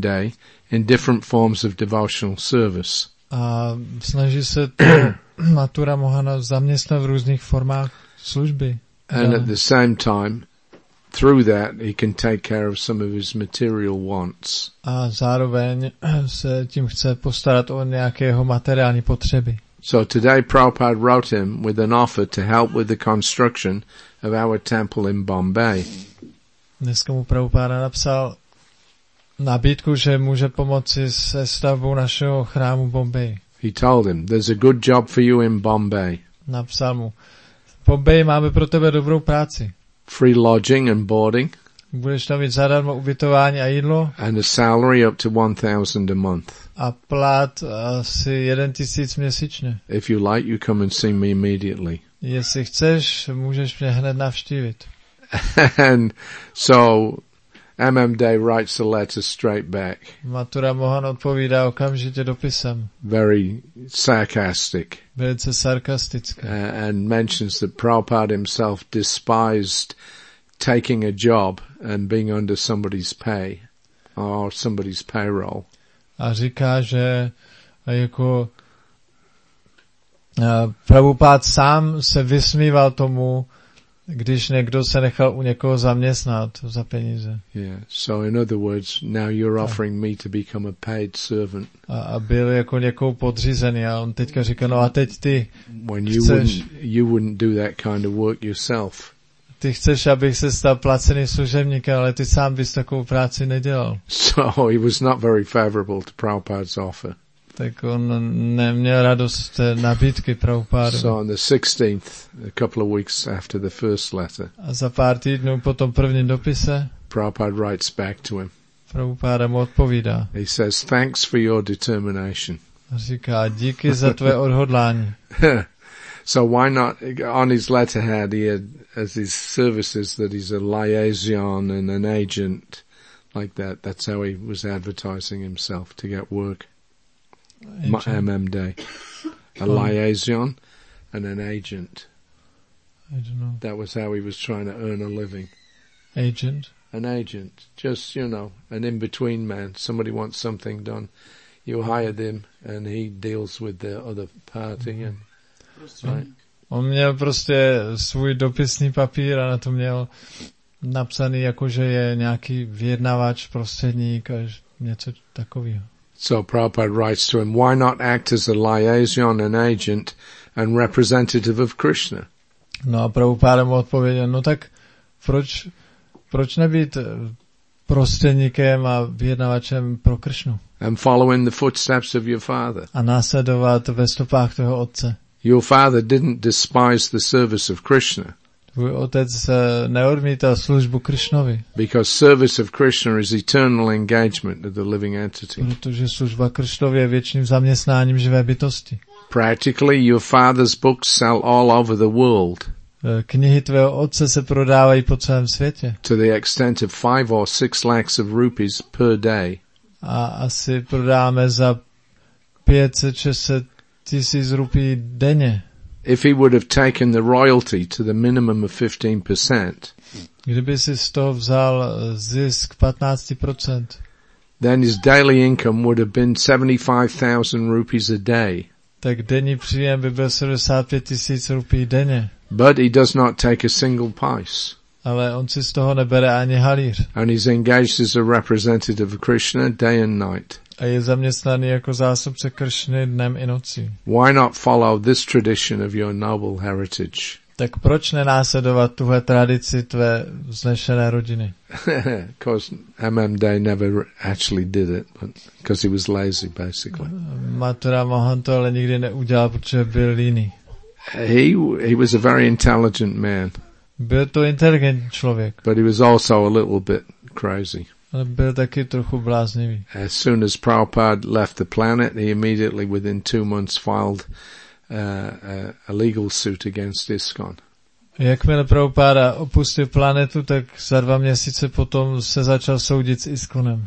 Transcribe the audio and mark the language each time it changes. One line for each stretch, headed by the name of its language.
English: Day in different forms of devotional service.
Czech: A snaží se Mathura Mohana zaměstnat v různých formách služby.
English: And at the same time, through that, he can take care of some of his material wants.
Czech: A zároveň se tím chce postarat o nějaké jeho materiální potřeby.
English: So today Prabhupada wrote him with an offer to help with the construction of our temple in Bombay.
Czech: Dneska mu Prabhupada napsal nabídku, že může pomoci se stavbou našeho chrámu v Bombay.
English: He told him, there's a good job for you in Bombay.
Czech: Napsal mu, v Bombay máme pro tebe dobrou práci.
English: Free lodging and boarding.
Czech: Budeš tam mít zadarmo ubytování a jídlo.
English: And a salary up to 1,000 a month.
Czech: A plat asi 1,000 měsíčně.
English: If you like, you come and see me immediately.
Czech: Jestli chceš, můžeš mě hned navštívit.
English: And so M.M. Day writes a letter straight back.
Czech: Mathura Mohan odpovídá okamžitě dopisem.
English: Very sarcastic.
Czech: Velice sarkastické.
English: And mentions that Prabhupada himself despised taking a job and being under somebody's pay or somebody's payroll.
Czech: A říká, že jako Prabhupada sám se vysmíval tomu, když někdo se nechal u někoho zaměstnat za peníze.
English: Yeah, so in other words, now you're offering me to become a paid servant.
Czech: A byl jako někoho podřízený a on teďka říká, no a teď ty
English: when
Czech: chceš.
English: You wouldn't do that kind of work yourself.
Czech: Ty chceš, abych se stal placený služebníkem, ale ty sám bys takovou práci nedělal.
English: So he was not very favorable to Prabhupada's offer.
Czech: Tak on neměl radost té nabídky Prabhupádu.
English: So on the 16th, a couple of weeks after the first letter.
Czech: A za pár týdnů po tom prvním dopise.
English: Prabhupada writes back to him.
Czech: Prabhupáda mu odpovídá.
English: He says, thanks for your determination.
Czech: A říká, díky za tvé odhodlání.
English: So why not, on his letterhead he had as his services that he's a liaison and an agent like that. That's how he was advertising himself to get work. M.M. Day. A liaison and an agent. I don't know. That was how he was trying to earn a living. Agent? An agent. Just, you know, an in-between man. Somebody wants something done. You hire them and he deals with the other party. Mm-hmm. And, right?
Czech: On měl prostě svůj dopisný papír a na to měl napsaný, jakože je nějaký vyjednavač, prostředník a něco takového.
English: So Prabhupada writes to him, why not act as a liaison, an agent, and representative of Krishna?
Czech: No a Prabhupada mu odpověděl, no tak proč nebýt prostředníkem a vyjednavačem pro Kršnu?
English: And following the footsteps of your father.
Czech: A následovat ve stopách tvého otce.
English: Your father didn't despise the service of Krishna.
Czech: Tvůj otec neodmítal službu Krishnovi.
English: Because service of Krishna is eternal engagement of the living entity.
Czech: Protože služba Krishnovi je věčným zaměstnáním živé bytosti.
English: Practically, your father's books sell all over the world.
Czech: Knihy tvého otce se prodávají po celém světě.
English: To the extent of 5 or 6 lakhs of rupees per day.
Czech: A asi prodáme za 500-600 tisíc rupí denně.
English: If he would have taken the royalty to the minimum of 15%,
Czech: kdyby si z toho vzal zisk 15%,
English: then his daily income would have been 75,000 rupees a day.
Czech: Tak denní příjem by byl 75 tisíc rupí denně.
English: But he does not take a single pice.
Czech: Ale on si z toho nebere ani halír.
English: And he's engaged as a representative of Krishna day and night.
Czech: A je zaměstnaný jako zástupce Kršny dnem i nocí.
English: Why not follow this tradition of your noble heritage?
Czech: Tak proč nenásledovat tuhle tradici tvé vznešené rodiny?
English: Because M.M. Day never actually did it, because he was lazy, basically.
Czech: Mathura Mohan to ale nikdy neudělal, protože byl líný.
English: He was a very intelligent man.
Czech: Byl to inteligentní člověk.
English: But he was also a little bit crazy.
Czech: Ale byl taky trochu bláznivý.
English: As soon as Prabhupada left the planet, he immediately, within 2 months, filed a legal suit against ISKCON.
Czech: Jakmile Prabhupada opustil planetu, tak za 2 měsíce potom se začal soudit s ISKCONem.